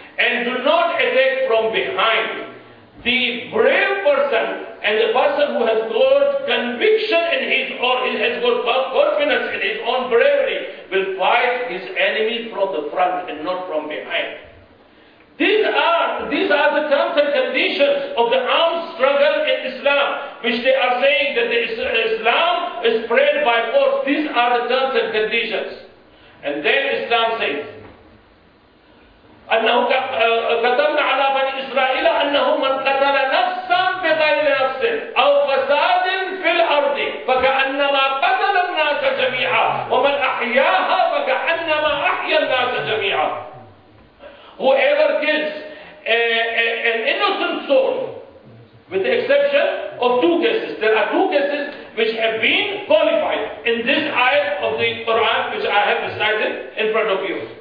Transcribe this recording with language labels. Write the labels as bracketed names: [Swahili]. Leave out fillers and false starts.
[English] And do not attack from behind. The brave person and the person who has got conviction in his or he has got confidence in his own bravery will fight his enemy from the front and not from behind. These are the terms and conditions of the armed struggle in Islam, which they are saying that the Islam is spread by force. These are the terms and conditions. And then Islam says, [Arabic] أنه كتبنا على بني إسرائيل أنه من قتل نفسا بغير نفس أو فساد في الأرض فكأنما قتل الناس جميعا ومن أحياها فكأنما أحيا الناس جميعا. [English] Whoever kills an innocent soul, with the exception of two cases, there are two cases which have been qualified in this ayat of the Quran which I have recited in front of you.